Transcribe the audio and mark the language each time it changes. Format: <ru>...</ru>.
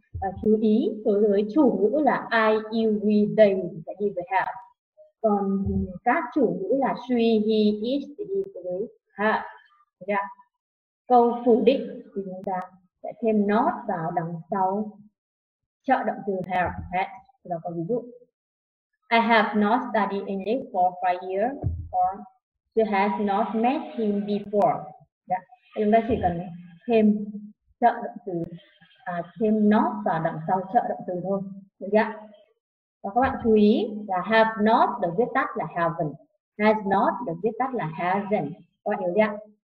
<vi>Và chú ý đối với chủ ngữ là I, you, we, they sẽ đi với have. Còn các chủ ngữ là she, he, it sẽ đi với have. Dạ. Câu phủ định thì chúng ta sẽ thêm not vào đằng sau trợ động từ have. Đó có ví dụ.</vi> <en>I have not studied English for 5 years or she has not met him before.</en> <vi>Dạ. Chúng ta chỉ cần thêm trợ động từ thêm not vào đằng sau trợ động từ thôi. Được chưa? Và các bạn chú ý là have not được viết tắt là haven't, has not được viết tắt là hasn't. Các bạn hiểu chưa?</vi>